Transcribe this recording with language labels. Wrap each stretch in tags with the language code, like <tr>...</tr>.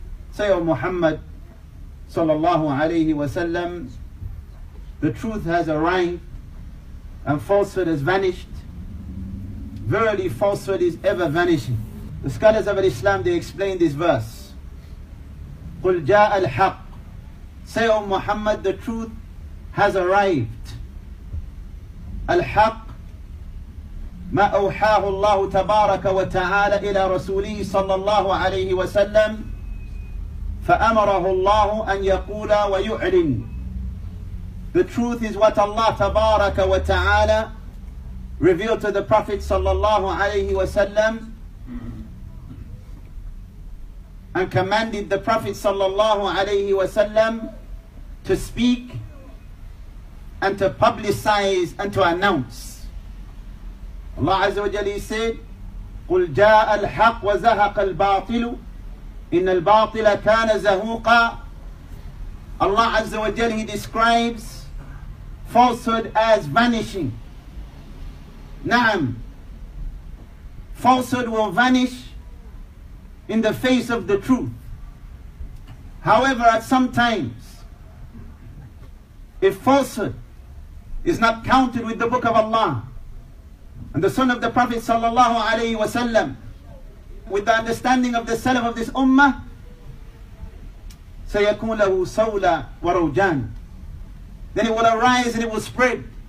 <en>Say, O Muhammad sallallahu alayhi wa sallam, the truth has arrived and falsehood has vanished. Verily, falsehood is ever vanishing. The scholars of Islam, they explain this verse.</en> <ar>قُلْ جَاءَ الْحَقِّ.</ar> <en>Say, O Muhammad, the truth has arrived.</en> <ar>الحق ما أوحاه الله تبارك وتعالى إلى رسوله صلى الله عليه وسلم فأمره الله أن يقول ويعلن.</ar> <en>The truth is what Allah tabaraka wa ta'ala revealed to the Prophet sallallahu alayhi wa sallam and commanded the Prophet sallallahu alayhi wa sallam to speak and to publicize and to announce. Allah Azza wa Jalla said,</en> <ar>قُلْ جَاءَ الْحَقْ وَزَهَقَ الْبَاطِلُ إِنَّ الْبَاطِلَ كَانَ زَهُوقًا.</ar> <en>Allah Azza wa Jalla, he describes falsehood as vanishing. Na'am. Falsehood will vanish in the face of the truth. However, at some times, if falsehood is not counted with the book of Allah and the son of the Prophet sallallahu alayhi wa sallam, with the understanding of the salaf of this ummah,</en> <ar>سَيَكُونَ لَهُ سَوْلًا وَرَوْجَانٍ,</ar> <en>then it will arise and it will spread.</en>